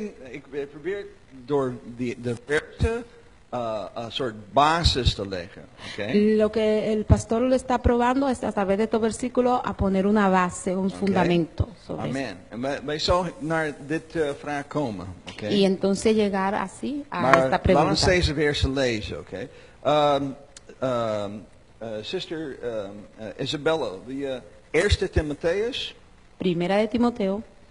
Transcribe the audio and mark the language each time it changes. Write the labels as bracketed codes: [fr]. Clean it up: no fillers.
[nl] Ik probeer door de verte een soort basis te leggen. [en] Okay? [es] Lo que el pastor lo está probando es a través de este versículo a poner una base, un fundamento. Sobre Amen. [nl] Wij zullen naar dit vraag komen. [en] Okay? [es] Y entonces llegar así a esta pregunta. [nl] Laten we deze verse lezen. [en] Okay? [nl] Sister Isabella, de eerste Timotheus. [es] Primera de Timoteo.